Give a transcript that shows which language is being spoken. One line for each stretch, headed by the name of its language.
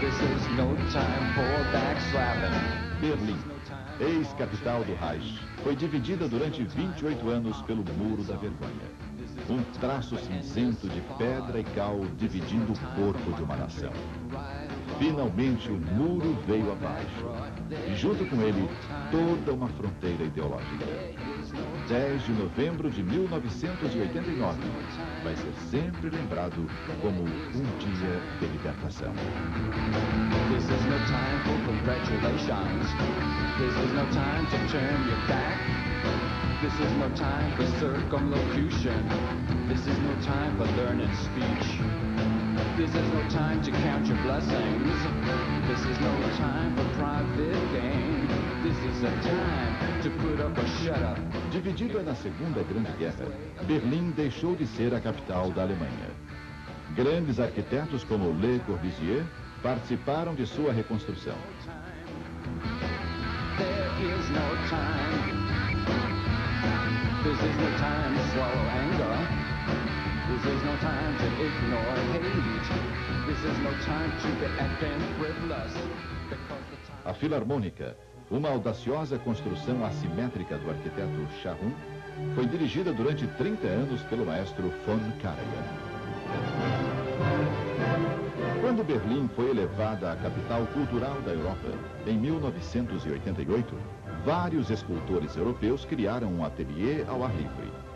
English: This is no time for backslapping.
Portuguese: Berlim, ex-capital do Reich, foi dividida durante 28 anos pelo Muro da Vergonha. Um traço cinzento de pedra e cal dividindo o corpo de uma nação. Finalmente o muro veio abaixo. E junto com ele, toda uma fronteira ideológica. 10 de novembro de 1989 vai ser sempre lembrado como um dia de libertação.
English: This is no time for congratulations. This is no time to turn your back. This is no time for circumlocution. This is no time for learning speech. This is no time to count your blessings. This is no time for private gain. This is a time to put up or shut up.
Portuguese: Dividida na Segunda Grande Guerra, Berlim deixou de ser a capital da Alemanha. Grandes arquitetos como Le Corbusier participaram de sua reconstrução.
English: There is no time. This is no time to swallow anger. This is no time to ignore hate. This is no time to be acting frivolous.
Portuguese: A Filarmônica, uma audaciosa construção assimétrica do arquiteto Charron, foi dirigida durante 30 anos pelo maestro von Karajan. Quando Berlim foi elevada à capital cultural da Europa, em 1988, vários escultores europeus criaram um ateliê ao ar livre.